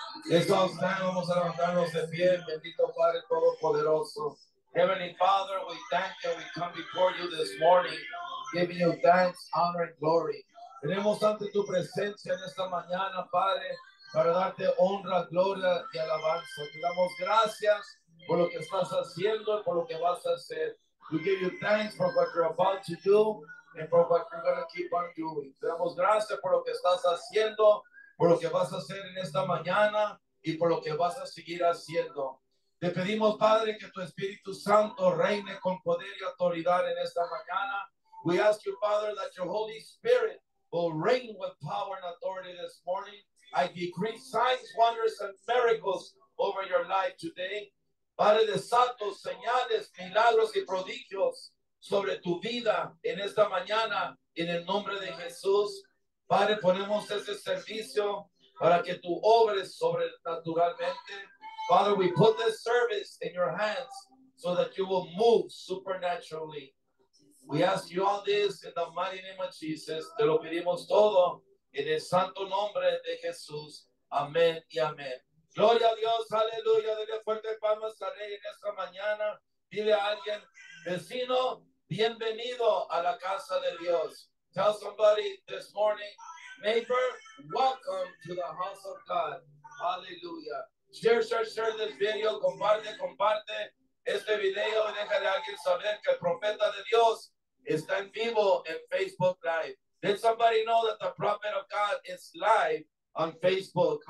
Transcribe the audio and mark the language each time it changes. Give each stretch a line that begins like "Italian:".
Spanish: Estos vamos a levantarnos de pie, bendito Padre Todopoderoso.
English: Heavenly Father, we thank you. We come before you this morning, giving you thanks, honor, and glory.
Spanish: Venimos ante tu presencia en esta mañana, Padre, para darte honra, gloria y alabanza. Te damos gracias por lo que estás haciendo y por lo que vas a hacer.
English: We give you thanks for what you're about to do and for what you're going to keep on doing.
Spanish: Te damos gracias por lo que estás haciendo, por lo que vas a hacer en esta mañana y por lo que vas a seguir haciendo. Te pedimos, Padre, que tu Espíritu Santo reine con poder y autoridad en esta mañana.
English: We ask you, Father, that your Holy Spirit will reign with power and authority this morning. I decree signs, wonders, and miracles over your life today.
Spanish: Padre de santos, señales, milagros y prodigios sobre tu vida en esta mañana, en el nombre de Jesús. Padre, ponemos ese servicio para que tú obres sobrenaturalmente.
English: Father, we put this service in your hands so that you will move supernaturally. We ask you all this in the mighty name of Jesus.
Spanish: Te lo pedimos todo en el santo nombre de Jesús. Amén y amén. Gloria a Dios, aleluya. Dele fuerte palmas al Rey en esta mañana. Dile a alguien, vecino, bienvenido a la casa de Dios.
English: Tell somebody this morning, neighbor, welcome to the house of God. Aleluya. Share this video.
Spanish: Comparte este video y déjale a alguien saber que el profeta de Dios está en vivo en Facebook Live.
English: Let somebody know that the prophet of God is live on Facebook.